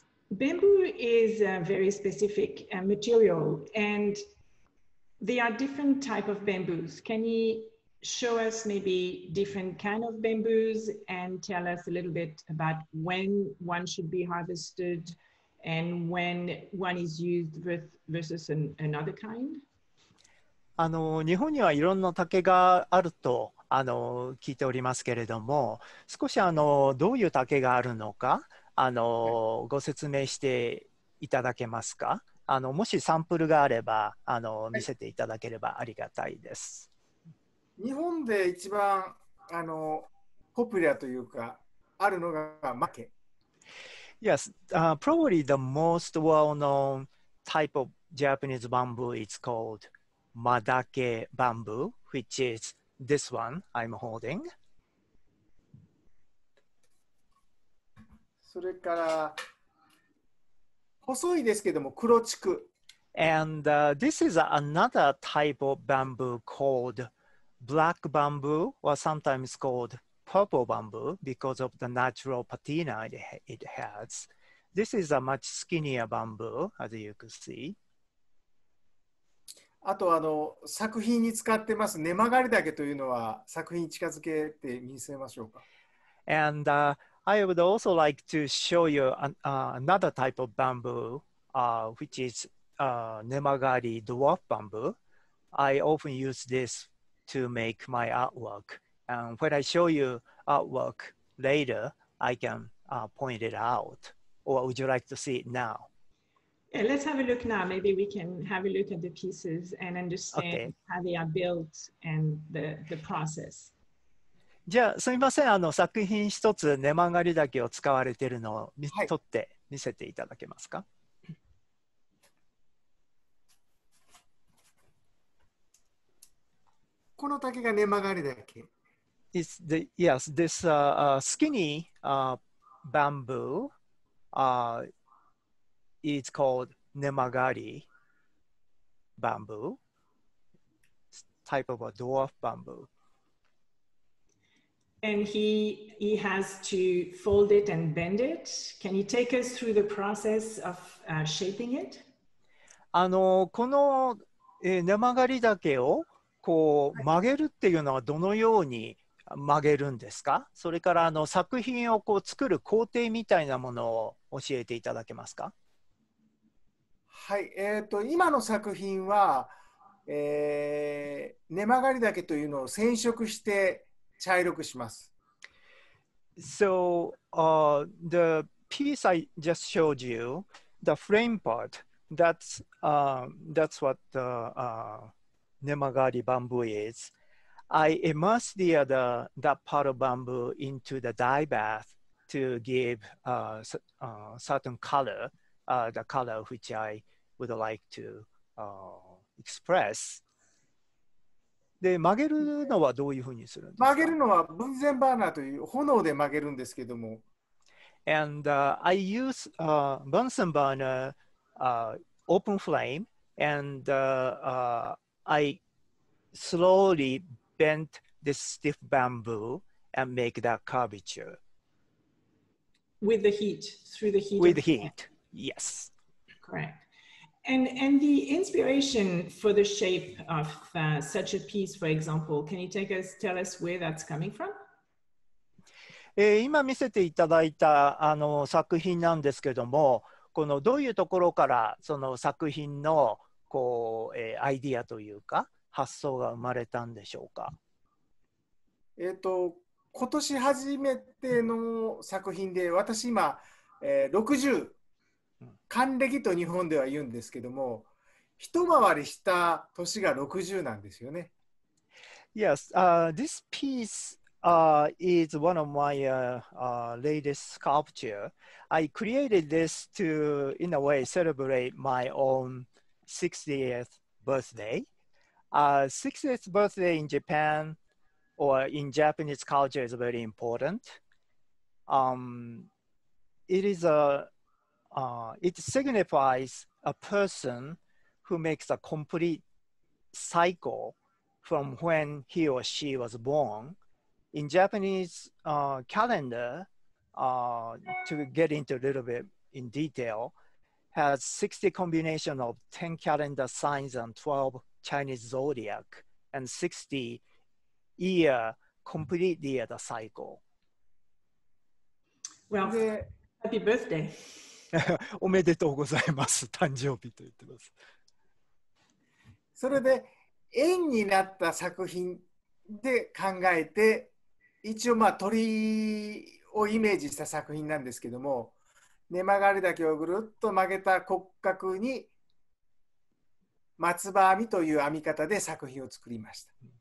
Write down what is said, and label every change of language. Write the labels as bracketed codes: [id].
[en] Bamboo is a very specific material, and there are different type of bamboos. Can you show us maybe different kind of bamboos and tell us a little bit about when one should be harvested and when one is used versus another kind? [ja] 日本にはいろんな竹があると聞いておりますけれども、少しどういう竹があるのか、ご説明していただけますか。もしサンプルがあれば見せていただければありがたいです。日本で一番ポピュラーというかあるのがマケ。 [en] Yes, probably the most well-known type of Japanese bamboo is called Madake bamboo, which is this one I'm holding. [ja] それから細いですけども黒竹。 [en] And this is another type of bamboo called black bamboo, or sometimes called purple bamboo because of the natural patina it has. This is a much skinnier bamboo, as you can see. [ja] あと作品に使ってます根曲がり竹というのは作品に近づけて見せましょうか。 [en] And I would also like to show you another type of bamboo, which is 根曲がり dwarf bamboo. I often use this to make my artwork. And when I show you artwork later, I can point it out. Or would you like to see it now? Yeah, let's have a look now. Maybe we can have a look at the pieces and understand okay. how they are built and the process. [ja] じゃあすみませんあの作品一つネマガリダケを使われているのを見、はい、取って見せていただけますか。この竹がネマガリダケ。 [en] It's the yes this skinny bamboo is called ネマガリ bamboo type of a dwarf bamboo. And he has to fold it and bend it. Can you take us through the process of shaping it? [ja] あのこの、ネマガリダケをこう曲げるっていうのはどのように曲げるんですか？それからあの作品をこう作る工程みたいなものを教えていただけますか？はい、今の作品は、ネマガリダケというのを染色して茶色くします。 [en] So, the piece I just showed you, the frame part, that's what the nemagari bamboo is. I immerse that part of bamboo into the dye bath to give certain color, the color which I would like to express. [ja] で曲げるのはどういうふうにするんですか？曲げるのはブンゼンバーナーという炎で曲げるんですけども。 [en] And I use Bunsen burner, open flame, and I slowly bent this stiff bamboo and make that curvature. With the heat, through the heat. With the heat, yes. Correct. And the inspiration for the shape of such a piece, for example, can you tell us where that's coming from? [ja] 今見せていただいたあの作品なんですけども、このどういうところからその作品のこう、アイディアというか発想が生まれたんでしょうか？今年初めての作品で、私今、60。還暦と日本では言うんですけども、一回りした年が60なんですよね。 [en] Yes, this piece is one of my latest sculpture. I created this to, in a way, celebrate my own 60th birthday. 60th birthday in Japan or in Japanese culture is very important. It is a it signifies a person who makes a complete cycle from when he or she was born. In Japanese calendar, to get into a little bit in detail, has 60 combination of 10 calendar signs and 12 Chinese zodiac and 60 year, complete year the cycle. Well, happy birthday. [ja] おめでとうございます。誕生日と言ってます。それで円になった作品で考えて、一応まあ鳥をイメージした作品なんですけども、ネマガリダケをぐるっと曲げた骨格に松葉編みという編み方で作品を作りました。